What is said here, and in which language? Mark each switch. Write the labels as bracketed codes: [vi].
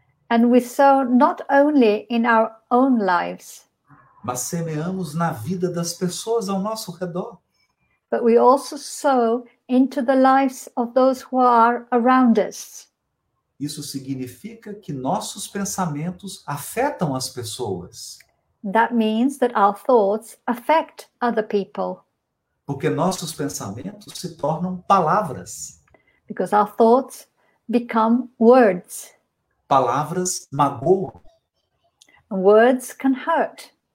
[en] And we sow not only in our own lives. [pt] Mas semeamos na vida das pessoas ao nosso redor. [en] But we also sow into the lives of those who are around us. [pt] Isso significa que nossos pensamentos afetam as pessoas. [en] That means that our thoughts affect other people. [pt] Porque nossos pensamentos se tornam palavras. [en] Because our thoughts become words. [pt] Palavras magoam. [en] And words can hurt.